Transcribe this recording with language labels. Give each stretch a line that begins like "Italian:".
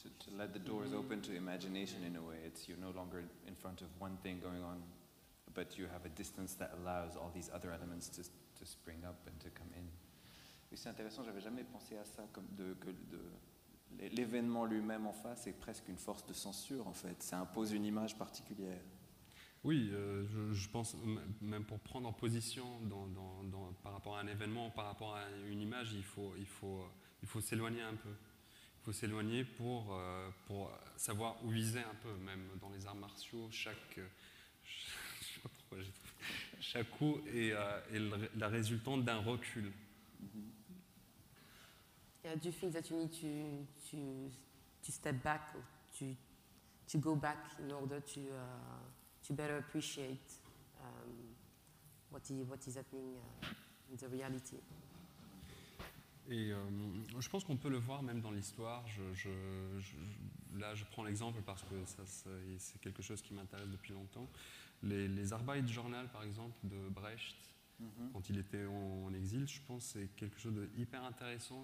English: To let the doors open to imagination in a way. It's you're no longer in front of one thing going on, but you have a distance that allows all these other elements to spring up and to come in.
French: Oui, c'est intéressant, j'avais jamais pensé à ça, comme que l'événement lui-même en face est presque une force de censure, en fait. Ça impose une image particulière. Oui, je pense, même pour prendre position par rapport à un événement, par rapport à une image, il faut s'éloigner un peu. Il faut s'éloigner pour savoir où viser un peu, même dans les arts martiaux, chaque coup est la résultante d'un recul.
English: Yeah, do you think that you need to step back or to go back in order to better appreciate what is happening in the reality?
French: Et je pense qu'on peut le voir même dans l'histoire. Je prends l'exemple parce que c'est quelque chose qui m'intéresse depuis longtemps. Les Arbeit Journal, par exemple, de Brecht, mm-hmm. quand il était en exil, je pense que c'est quelque chose de hyper intéressant.